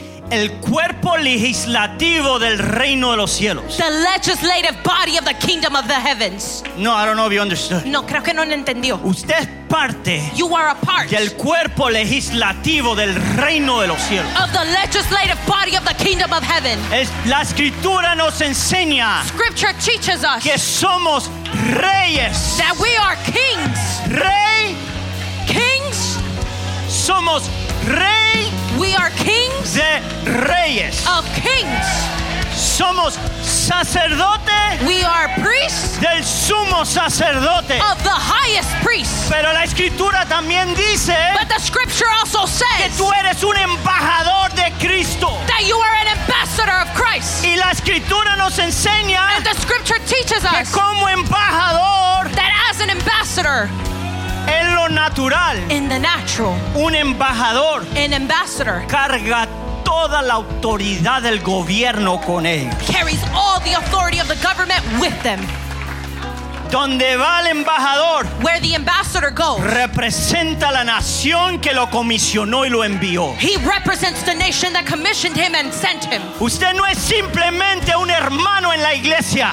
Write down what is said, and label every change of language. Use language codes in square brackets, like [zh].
[es] El cuerpo legislativo del reino de los cielos. [en] The legislative body of the kingdom of the heavens. No, I don't know if you understood. [es] No, creo que no entendió. Usted es parte. [en] You are a part. [es] Del cuerpo legislativo del reino de los cielos. [en] Of the legislative body of the kingdom of heaven. [es] La escritura nos enseña. [en] Scripture teaches us. [es] Que somos reyes. [en] That we are kings. [es] Rey. [en] Kings. [es] Somos rey. [en] We are kings [es] de reyes. [en] Of kings. [es] Somos sacerdote. [en] We are priests [es] del sumo sacerdote. [en] Of the highest priest. [es] Pero la escritura también dice, [en] but the scripture also says, [es] que tú eres un embajador de Cristo. [en] That you are an ambassador of Christ. [es] Y la escritura nos enseña, [en] and the scripture teaches us, [es] que como embajador, [en] that as an ambassador, [es] en lo natural, [en] in the natural, [es] un embajador, [en] an ambassador, [es] carga toda la autoridad del gobierno con él, [en] carries all the authority of the government with them. [es] Donde va el embajador, [en] where the ambassador goes, [es] representa la nación que lo comisionó y lo envió. [en] He represents the nation that commissioned him and sent him. [es] Usted no es simplemente un hermano en la iglesia.